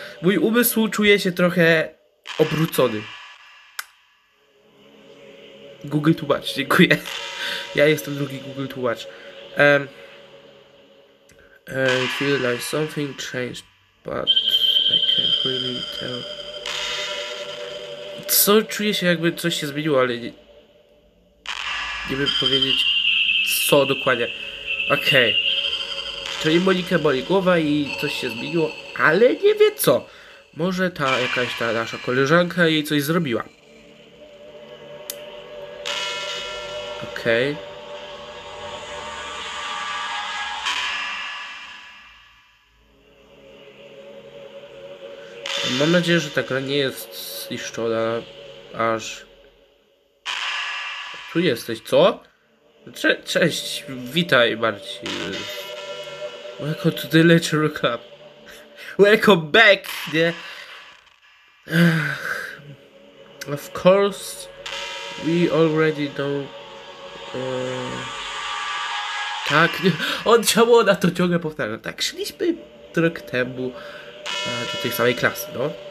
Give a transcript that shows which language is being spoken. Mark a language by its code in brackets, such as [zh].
[pl] Mój umysł czuje się trochę obrócony. Google tłumacz, dziękuję. Ja jestem drugi Google tłumacz. [en] I feel like something changed, but I can't really tell. [pl] Co? Czuję się, jakby coś się zmieniło, ale nie... Nie wiem powiedzieć, co dokładnie. Okej. Okay. Czyli Monikę boli głowa i coś się zmieniło, ale nie wie co. Może ta jakaś ta nasza koleżanka jej coś zrobiła. Okej. Okay. Mam nadzieję, że ta gra nie jest zniszczona, aż... Tu jesteś, co? Cześć, witaj Marcin. [en] Welcome to the Literal Club. Welcome back, nie? Of course, we already know... [pl] Tak, on ciało na to ciągle powtarza. Tak, szliśmy rok temu do tej samej klasy, no?